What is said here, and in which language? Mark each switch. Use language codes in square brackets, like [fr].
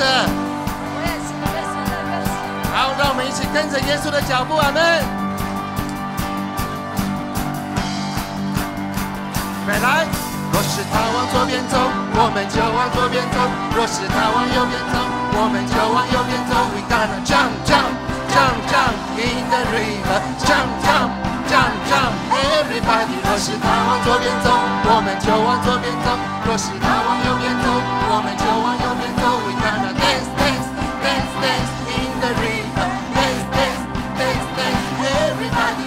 [zh] 我也是耶稣的跟随者。好，让我们一起跟着耶稣的脚步，阿们。美来，若是他往左边走，我们就往左边走；若是他往右边走，我们就往右边走。 [en] We gonna jump, jump, jump, jump in the river. Jump, jump, jump, jump, everybody. [zh] 若是他往左边走，我们就往左边走；若是他往右边走，我们就往右边走。 [en] We gonna dance, dance, dance, dance in the river. Dance, dance, dance, dance, everybody.